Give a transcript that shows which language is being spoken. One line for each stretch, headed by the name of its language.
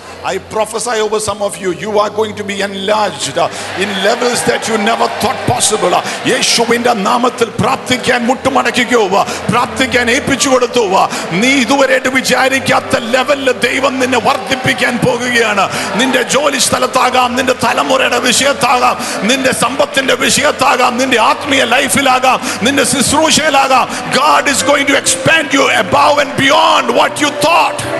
English: I prophesy over some of you, you are going to be enlarged in levels that you never thought possible.
Malayalam: യേശുവിന്റെ നാമത്തിൽ പ്രാർത്ഥിക്കാൻ മുട്ടുമടക്കുകയോ പ്രാർത്ഥിക്കാൻ ഏൽപ്പിച്ചു കൊടുത്തോ നീ ഇതുവരെ വിചാരിക്കാത്ത ലെവലിൽ ദൈവം നിന്നെ വർദ്ധിപ്പിക്കാൻ പോകുകയാണ്. നിന്റെ ജോലി സ്ഥലത്താകാം, നിന്റെ തലമുറയുടെ വിഷയത്താകാം, നിന്റെ സമ്പത്തിന്റെ വിഷയത്താകാം, നിന്റെ ആത്മീയ ലൈഫിലാകാം, നിന്റെ ശുശ്രൂഷയിലാകാം.
English: God is going to expand you above and beyond what you thought.